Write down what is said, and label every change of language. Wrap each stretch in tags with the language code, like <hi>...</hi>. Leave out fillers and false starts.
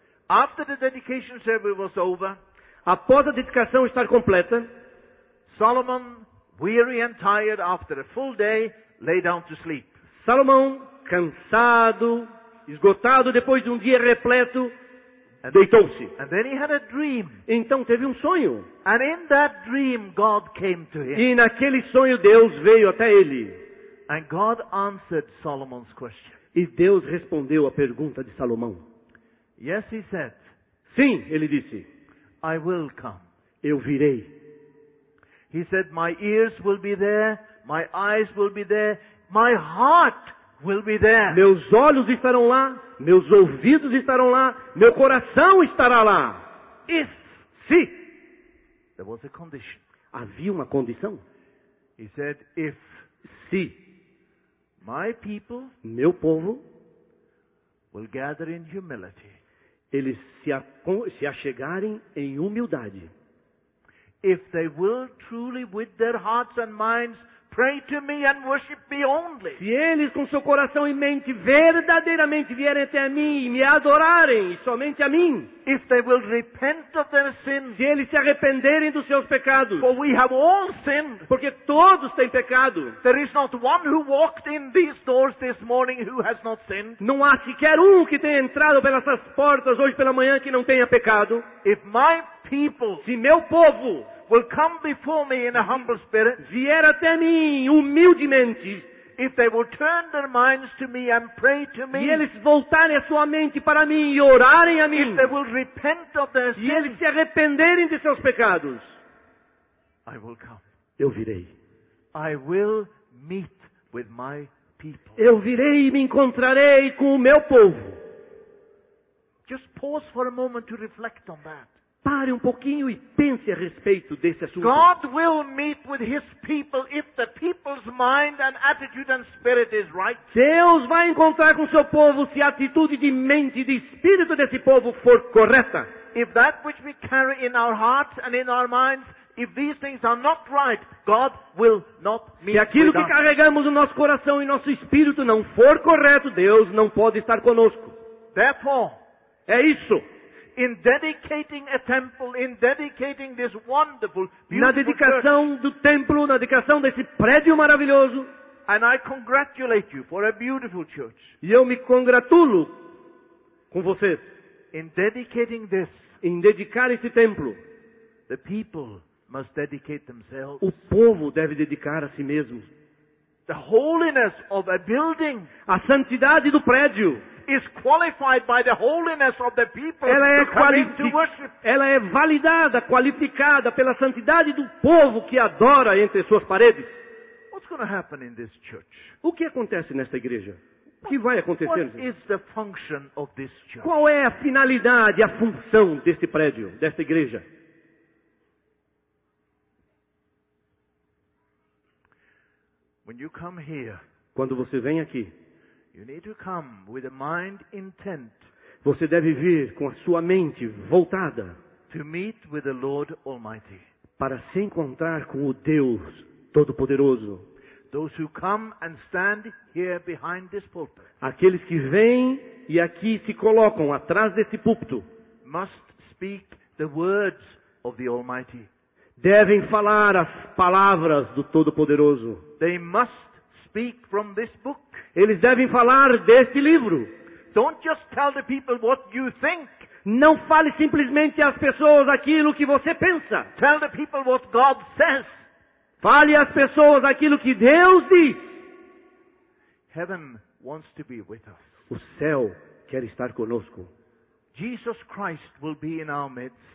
<en>After the dedication service was over,</en> <pt>após a dedicação estar completa,</pt> <en>Solomon, weary and tired after a full day, lay down to sleep.</en> <pt>Salomão, cansado, esgotado depois de dia repleto, deitou-se.</pt> <en>And then he had a dream.</en> <pt>Então teve sonho.</pt> <en>And in that dream, God came to him.</en> <pt>E naquele sonho Deus veio até ele.</pt> <en>And God answered Solomon's question.</en> <pt>E Deus respondeu a pergunta de Salomão.</pt> <en>Yes, he said.</en> <pt>Sim, ele disse.</pt> <en>I will come.</en> <pt>Eu virei.</pt> <en>He said, my ears will be there, my eyes will be there, my heart will be there.</en> <pt>Meus olhos estarão lá, meus ouvidos estarão lá, meu coração estará lá.</pt> <en>If.</en> <pt>Se.</pt> <en>There was a condition.</en> <pt>Havia uma condição.</pt> <en>He said, if.</en> <pt>Se.</pt> <en>My people.</en> <pt>Meu povo.</pt> <en>Will gather in humility.</en> <pt>Eles se achegarem em humildade.</pt> <en>If they will truly with their hearts and minds pray to me and worship me only.</en> <pt>Se eles com seu coração e mente verdadeiramente vierem até a mim e me adorarem somente a mim.</pt> <en>If they will repent of their sins.</en> <pt>Se eles se arrependerem dos seus pecados.</pt> <en>For we have all sinned.</en> <pt>Porque todos têm pecado.</pt> <en>There is not one who walked in these doors this morning who has not sinned.</en> <pt>Não há sequer que tenha entrado pelas portas hoje pela manhã que não tenha pecado.</pt> <en>If my people.</en> <pt>Se meu povo.</pt> <en>Will come before me in a humble spirit.</en> <pt>Vier até mim humildemente.</pt> <en>If they will turn their minds to me and pray to me.</en> <pt>E eles voltarem a sua mente para mim e orarem a mim.</pt> <en>If they will repent of their sins.</en> <pt>E eles se arrependerem de seus pecados.</pt> <en>I will come.</en> <pt>Eu virei.</pt> <en>I will meet with my people.</en> <pt>Eu virei e me encontrarei com o meu povo.</pt> <en>Just pause for a moment to reflect on that.</en> <pt>Pare um pouquinho e pense a respeito desse assunto.</pt> <en>God will meet with his people if the people's mind and attitude and spirit is right.</en> <pt>Deus vai encontrar com seu povo se a atitude de mente e de espírito desse povo for correta.</pt> <en>If that which we carry in our hearts and in our minds, if these things are not right, God will not meet.</en> <pt>Se aquilo</pt> <en>with</en> <pt>que</pt> <en>us.</en> <pt>Carregamos no nosso coração e nosso espírito não for correto, Deus não pode estar conosco.</pt> <en>Therefore,</en> <pt>é isso.</pt> <en>In dedicating a temple, in dedicating this wonderful, beautiful</en> <pt>na dedicação</pt> <en>church,</en> <pt>do templo, na dedicação desse prédio maravilhoso,</pt> <en>and I congratulate you for a beautiful church.</en> <pt>E eu me congratulo com vocês.</pt> <en>In dedicating this,</en> <pt>em dedicar esse templo,</pt> <en>the people must dedicate themselves.</en> <pt>O povo deve dedicar a si mesmo.</pt> <en>The holiness of a building,</en> <pt>a santidade do prédio,</pt> <en>is qualified by the holiness of the people.</en> <pt>Ela é ela é validada, qualificada pela santidade do povo que adora entre suas paredes.</pt> <en>What's going to happen in this church?</en> <pt>O que acontece nesta igreja? O que vai acontecer?</pt> <en>What is the function of this church?</en> <pt>Qual é a finalidade, a função deste prédio, desta igreja?</pt> <en>When you come here,</en> <pt>quando você vem aqui,</pt> <en>you need to come with a mind intent.</en> <pt>Você deve vir com a sua mente voltada</pt> <en>to meet with the Lord Almighty.</en> <pt>Para se encontrar com o Deus Todo-Poderoso.</pt> <en>Those who come and stand here behind this pulpit.</en> <pt>Aqueles que vêm e aqui se colocam atrás desse púlpito</pt> <en>must speak the words of the Almighty.</en> <pt>Devem falar as palavras do Todo-Poderoso.</pt> <en>They must speak from this book.</en> <pt>Eles devem falar deste livro.</pt> <en>Don't just tell the people what you think.</en> <pt>Não fale simplesmente às pessoas aquilo que você pensa.</pt> <en>Tell the people what God says.</en> <pt>Fale às pessoas aquilo que Deus diz.</pt> <en>Heaven wants to be with us.</en> <pt>O céu quer estar conosco.</pt> <en>Jesus Christ will be in our midst.</en>